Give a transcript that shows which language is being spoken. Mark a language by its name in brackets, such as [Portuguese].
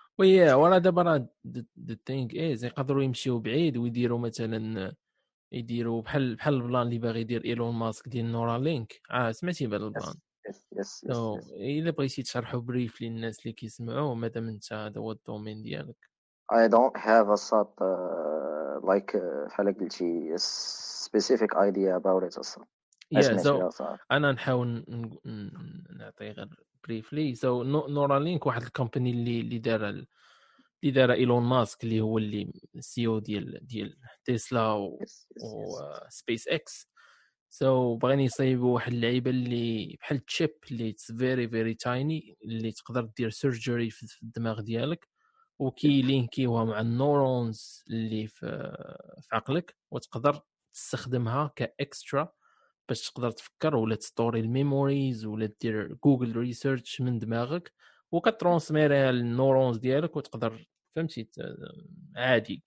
[Arabic] وي وانا دابا راه [English] the thing is [Arabic] يقدروا يمشيو بعيد ويديروا مثلا يديروا بحال البلان اللي باغي يدير ايلون ماسك ديال نورا لينك سمعتي بهذا البلان إلا بغيتي تشرحو بريف للناس اللي كيسمعو مادام انت هذا هو الدومين ديالك [English] I don't have a sort like [Arabic] بحال قلتي [English] specific idea about it yeah, so [Arabic] أنا نحاول نعطي غير بريفلي. سو نورالينك واحد الكومباني اللي دار ايلون ماسك اللي هو اللي سي او ديال تيسلا و سبيس اكس. سو بغين يصيبوا واحد اللعيبه اللي بحال تشيب اللي فيري فيري تايني اللي تقدر دير سيرجري في الدماغ ديالك وكي لينكيها مع النورونز اللي في عقلك وتقدر تستخدمها كاكسترا باش تقدر تفكر ولا تستوري الميموريز ولا دير جوجل ريسيرش من دماغك وكترونسميري النورونز ديالك وتقدر فهمتي عادي.